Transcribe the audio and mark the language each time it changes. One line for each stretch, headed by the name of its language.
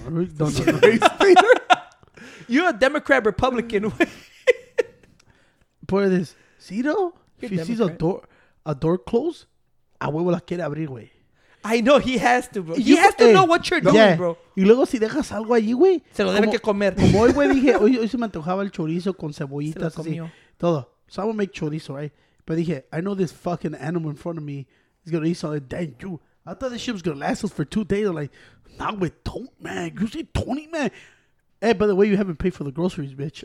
English: Race baiter? You're a Democrat Republican. Put it this. Cedro, if he sees a door closed, a huevo la quiere abrir, güey. I know, he has to, bro. He has to know what you're doing, yeah. Bro.
Spanish: Y luego si dejas algo allí, güey. Se lo debe que comer. Como hoy, güey, dije, hoy se me antojaba el chorizo con cebollitas.
English: Se lo comió. Todo. So I'm gonna make chorizo, right? But dije, I know this fucking animal in front of me is gonna eat something. Damn, you. I thought this shit was gonna last us for 2 days. I'm like, nah, güey, don't, man. You say Tony, man. Hey, by the way, you haven't paid for the groceries, bitch.